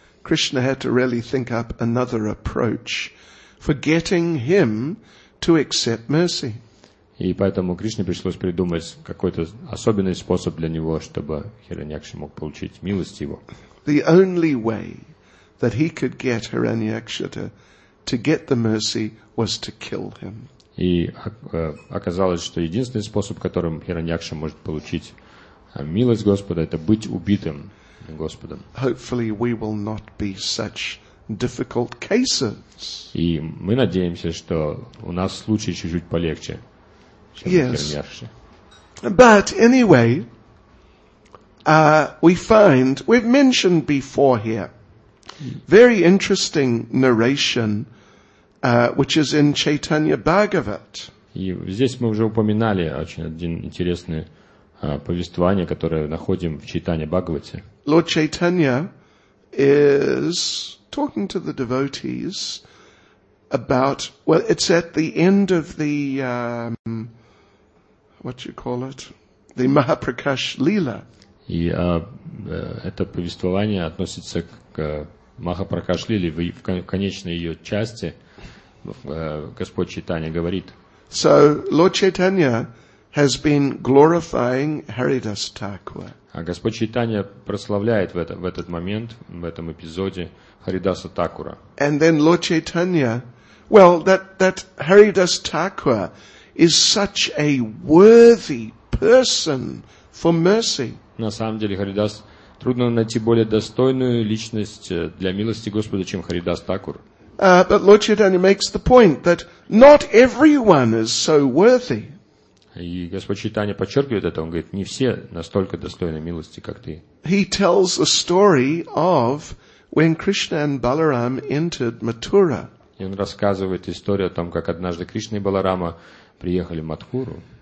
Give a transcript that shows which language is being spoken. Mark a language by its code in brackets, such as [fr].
[en] Krishna had to really think up another approach for getting him to accept mercy. [ru] И поэтому Кришне пришлось придумать какой-то особенный способ для него, чтобы Хираньякша мог получить милость его. [en] The only way that he could get Hiranyaksha to get the mercy was to kill him. [ru] И оказалось, что единственный способ, которым Хираньякша может получить милость Господа, это быть убитым Господом. [en] Hopefully we will not be such difficult cases. [ru] И мы надеемся, что у нас случай чуть-чуть полегче. [en] Yes, but anyway, we've mentioned before here, very interesting narration, which is in Chaitanya Bhagavat. [ru] И здесь мы уже упоминали очень один интересный повествование, которое находим в Чайтанья Бхагавате. [en] Lord Chaitanya is talking to the devotees about, well, it's at the end of the, what you call it, the Mahaprakash Lila. [ru] И это повествование относится к Махапракаш Лиле, в конечной ее части Господь Чайтанья говорит. [en] So, Lord Chaitanya has been glorifying Haridas Thakura. [ru] А Господь Чайтанья прославляет в этот момент, в этом эпизоде, Харидаса Такура. [en] And then Lord Chaitanya, well, that Haridas Thakura is such a worthy person for mercy. [ru] На самом деле, Харидас, трудно найти более достойную личность для милости Господа, чем Харидас Такур. [en] But Lord Chaitanya makes the point that not everyone is so worthy. [ru] И Господь Чайтанья подчеркивает это, он говорит, не все настолько достойны милости, как ты. [en] He tells a story of when Krishna and Balaram entered Mathura. [ru] И он рассказывает историю о том, как однажды Кришна и Баларама приехали в Матхуру.